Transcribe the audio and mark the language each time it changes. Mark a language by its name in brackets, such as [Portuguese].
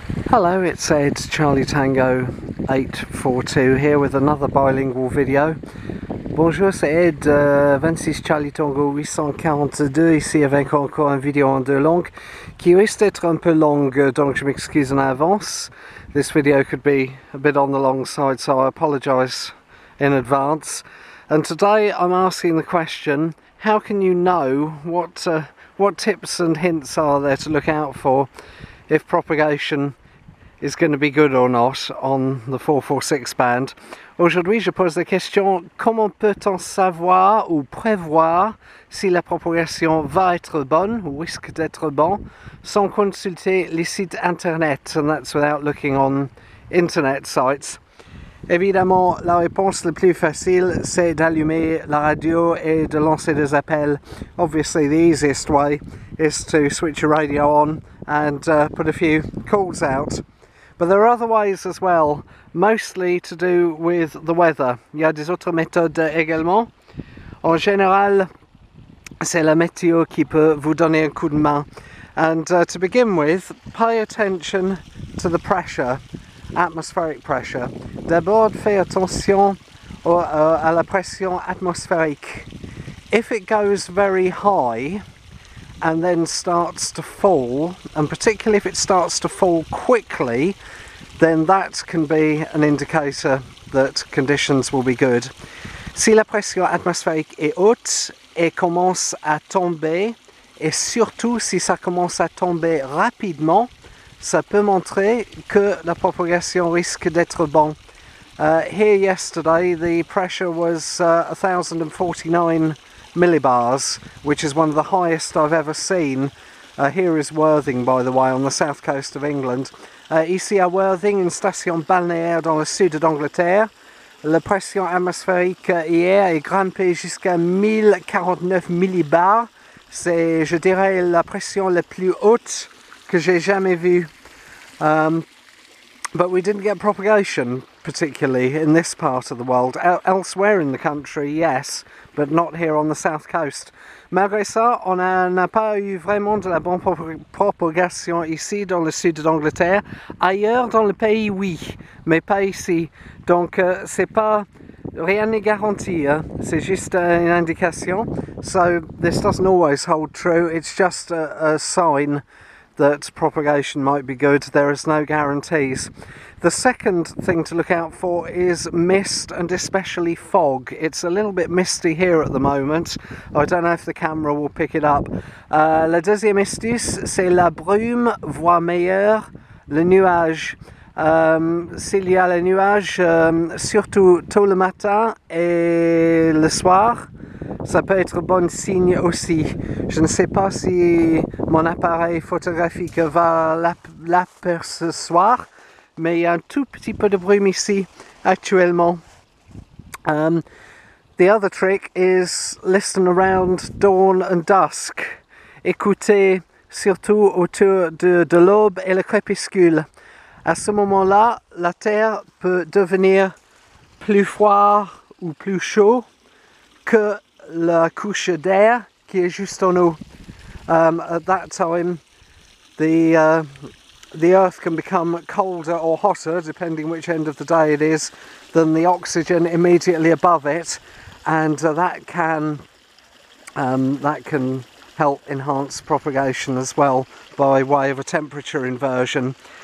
[English] Hello, it's Ed, Charlie Tango 842 here with another bilingual video. [French] Bonjour, c'est Ed, 26 Charlie Tango 842, ici avec encore une vidéo en deux langues qui risque d'être un peu longue, donc je m'excuse en avance. [English] This video could be a bit on the long side, so I apologize in advance. And today I'm asking the question, how can you know what tips and hints are there to look out for if propagation is going to be good or not on the 446 band? [French] Aujourd'hui, je pose la question, comment peut-on savoir ou prévoir si la propagation va être bonne ou risque d'être bonne sans consulter les sites internet? [English] And that's without looking on internet sites. [French] Évidemment, la réponse la plus facile, c'est d'allumer la radio et de lancer des appels. [English] Obviously, the easiest way is to switch your radio on and put a few calls out. But there are other ways as well, mostly to do with the weather. [French] Il y a des autres méthodes également. En général, c'est la météo qui peut vous donner un coup de main. [English] And to begin with, pay attention to the pressure. Atmospheric pressure. [French] D'abord, fais attention à la pression atmosphérique. [English] If it goes very high and then starts to fall, and particularly if it starts to fall quickly, then that can be an indicator that conditions will be good. [French] Si la pression atmosphérique est haute et commence à tomber, et surtout si ça commence à tomber rapidement, ça peut montrer que la propagation risque d'être bon. [English] Here yesterday, the pressure was 1049 millibars, which is one of the highest I've ever seen. Here is Worthing, by the way, on the south coast of England. [French] Ici à Worthing, une station balnéaire dans le sud d'Angleterre, la pression atmosphérique hier est grimpée jusqu'à 1049 millibars. C'est, je dirais, la pression la plus haute que j'ai jamais vue. [English] But we didn't get propagation, particularly in this part of the world. Elsewhere in the country, yes, but not here on the south coast. [French] Malgré ça, on n'a pas eu vraiment de la bonne propagation ici, dans le sud d'Angleterre. Ailleurs dans le pays, oui, mais pas ici. Donc, c'est pas... rien n'est garanti, hein? C'est juste une indication. [English] So, this doesn't always hold true, it's just a sign that propagation might be good. There is no guarantees. The second thing to look out for is mist and especially fog. It's a little bit misty here at the moment. I don't know if the camera will pick it up. [French] La deuxième astuce, c'est la brume, voire meilleure, le nuage. S'il y a le nuage, surtout tôt le matin et le soir, ça peut être bon signe aussi. Je ne sais pas si mon appareil photographique va l'apercevoir, mais il y a un tout petit peu de brume ici actuellement. [English] The other trick is listen around dawn and dusk. [French] Écoutez surtout autour de l'aube et le crépuscule. À ce moment-là, la terre peut devenir plus froide ou plus chaud que la couche d'air qui est juste en haut. [English] At that time, the earth can become colder or hotter, depending which end of the day it is, than the oxygen immediately above it, and that can help enhance propagation as well by way of a temperature inversion.